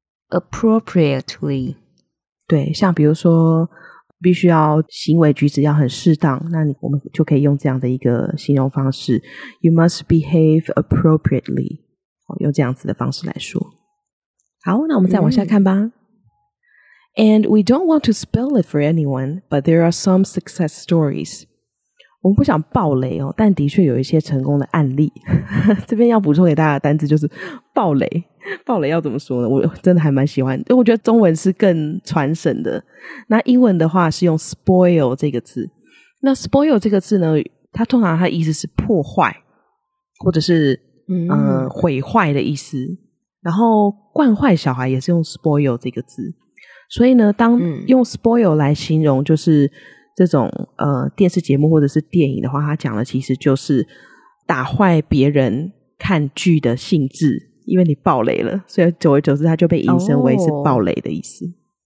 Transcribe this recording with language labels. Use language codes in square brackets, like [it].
[en] appropriately， [zh] 对，像比如说必须要行为举止要很适当，那我们就可以用这样的一个形容方式 [en] You must behave appropriately， [zh] 用这样子的方式来说。好，那我们再往下看吧。 [en] And we don't want to spell it for anyone, but there are some success stories. [zh] 我们不想爆雷哦，但的确有一些成功的案例。这边要补充给大家的单字就是爆雷。爆雷要怎么说呢？我真的还蛮喜欢，我觉得中文是更传神的。那英文的话是用 spoil 这个字，那 spoil 这个字呢，它通常它的意思是破坏或者是毁坏的意思，然后惯坏小孩也是用 spoil 这个字，所以呢当用 spoil 来形容就是这种电视节目或者是电影的话，它讲的其实就是打坏别人看剧的兴致，因为你爆雷了，所以久而久之它就被引申为是爆雷的意思。